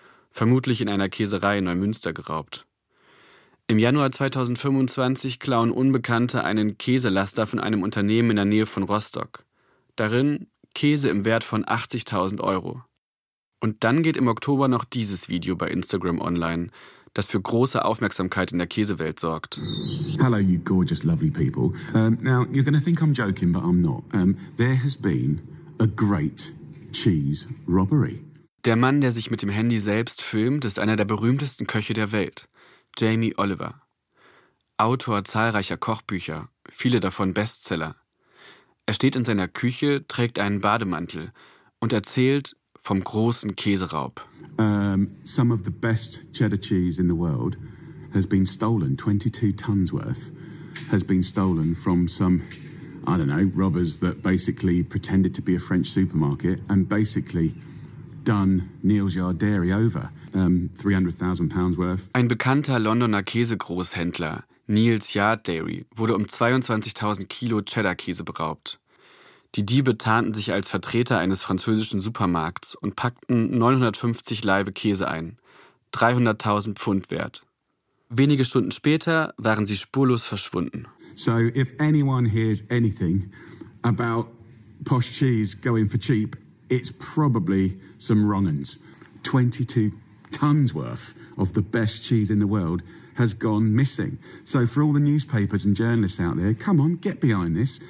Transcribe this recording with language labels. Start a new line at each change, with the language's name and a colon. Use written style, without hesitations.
German: Vermutlich in einer Käserei in Neumünster geraubt. Im Januar 2025 klauen Unbekannte einen Käselaster von einem Unternehmen in der Nähe von Rostock. Darin Käse im Wert von 80.000 Euro. Und dann geht im Oktober noch dieses Video bei Instagram online, das für große Aufmerksamkeit in der Käsewelt sorgt.
English: Hello, you gorgeous, lovely people. Now, you're gonna think I'm joking, but I'm not. There has been a great cheese robbery.
German: Der Mann, der sich mit dem Handy selbst filmt, ist einer der berühmtesten Köche der Welt, Jamie Oliver. Autor zahlreicher Kochbücher, viele davon Bestseller. Er steht in seiner Küche, trägt einen Bademantel und erzählt vom großen Käseraub.
English: Some of the best cheddar cheese in the world has been stolen, 22 tons worth, has been stolen from some, I don't know, robbers that basically pretended to be a French supermarket and basically done Neil's Yard Dairy over, £300,000 worth.
German: Ein bekannter Londoner Käsegroßhändler, Neil's Yard Dairy, wurde um 22.000 Kilo Cheddar-Käse beraubt. Die Diebe tarnten sich als Vertreter eines französischen Supermarkts und packten 950 Laibe Käse ein, 300.000 Pfund wert. Wenige Stunden später waren sie spurlos verschwunden.
English: So if anyone hears anything about posh cheese going for cheap, it's probably some wrong'uns. 22 tons worth of the best cheese in the world has gone missing. So for all the newspapers and journalists out there, come on, get behind this.